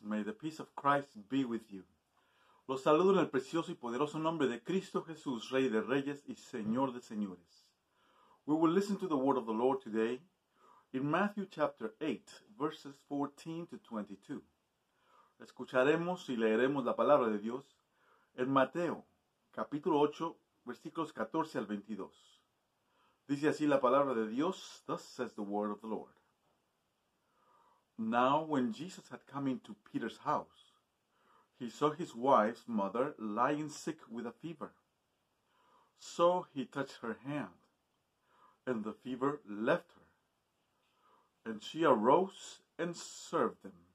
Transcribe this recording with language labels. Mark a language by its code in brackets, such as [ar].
[en] May the peace of Christ be with you. [es] Los saludo en el precioso y poderoso nombre de Cristo Jesús, Rey de Reyes y Señor de Señores. [en] We will listen to the word of the Lord today in Matthew chapter 8, verses 14 to 22. [es] Escucharemos y leeremos la palabra de Dios en Mateo, capítulo 8, versículos 14 al 22. Dice así la palabra de Dios, [en] thus says the word of the Lord. Now when Jesus had come into Peter's house, he saw his wife's mother lying sick with a fever. So he touched her hand, and the fever left her, and she arose and served them.